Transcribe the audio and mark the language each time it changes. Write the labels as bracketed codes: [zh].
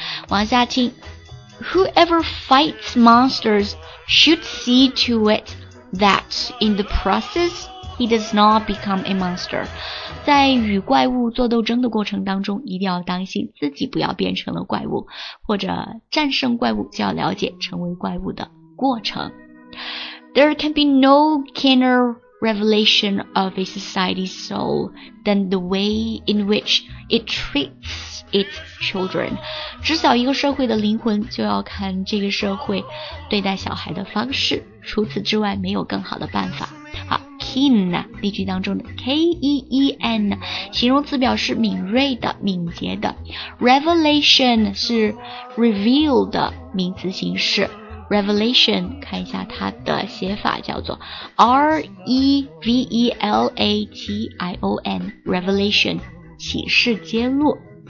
[zh] 往下听 [en] ,whoever fights monsters should see to it that in the process he does not become a monster. [zh] 在与怪物做斗争的过程当中一定要当心自己不要变成了怪物或者战胜怪物就要了解成为怪物的过程。 [en] There can be no keener revelation of a society's soul than the way in which it treats its children. [zh] 知晓一个社会的灵魂就要看这个社会对待小孩的方式除此之外没有更好的办法。好 keen, 例句当中的 K-E-E-N, 形容词表示敏锐的敏捷的 Revelation 是 reveal 的名词形式Revelation, 看一下它的写法叫做 R-E-V-E-L-A-T-I-O-N, Revelation, 启示揭露。